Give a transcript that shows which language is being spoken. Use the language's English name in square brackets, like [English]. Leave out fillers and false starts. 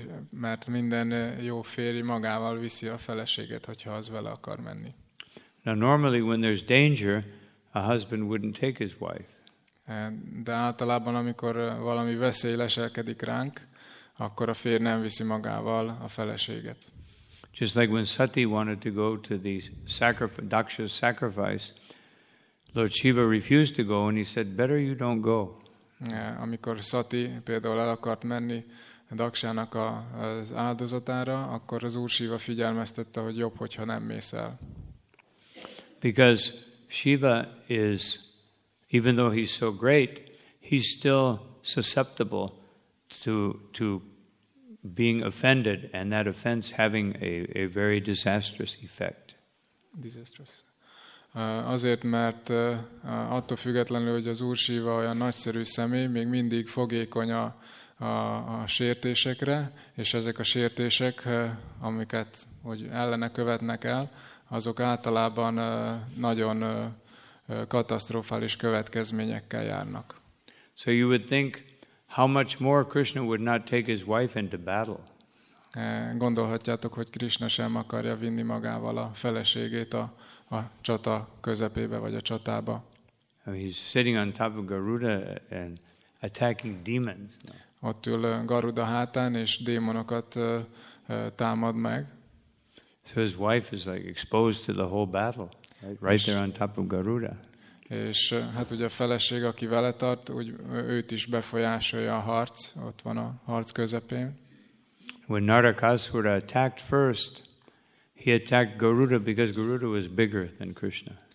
[Hungarian] Mert minden jó férj magával viszi a feleséget, hogyha az vele akar menni. [English] Now normally when there's danger, a husband wouldn't take his wife. [Hungarian] De általában, amikor valami veszély leselkedik ránk, akkor a férj nem viszi magával a feleséget. [English] Just like when Sati wanted to go to the Daksha's sacrifice, Lord Shiva refused to go, and he said, "Better you don't go." [Hungarian] Amikor Sati például el akart menni Daksának az áldozatára, akkor az Úr Shiva figyelmeztette, hogy jobb, hogyha nem mész el. [English] Because Shiva is, even though he's so great, he's still susceptible to being offended, and that offense having a very disastrous effect. Disastrous. [Hungarian] Azért, mert attól függetlenül, hogy az Úr Shiva olyan nagyszerű személy, még mindig fogékony a sértésekre, és ezek a sértések, amiket hogy ellene követnek el, azok általában nagyon katasztrofális következményekkel járnak. [English] So you would think, how much more Krishna would not take his wife into battle? [Hungarian] Gondolhatjátok, hogy Krishna sem akarja vinni magával a feleségét a csata közepébe vagy a csatába. [English] He's sitting on top of Garuda and attacking demons. [Hungarian] Ott ül Garuda hátán és démonokat támad meg. [English] So his wife is like exposed to the whole battle, right there on top of Garuda. [Hungarian] És hát ugye a feleség, aki vele tart, úgy, őt is befolyásolja a harc, ott van a harc közepén. [English] When Narakasura attacked first, he attacked Garuda because Garuda was bigger than Krishna.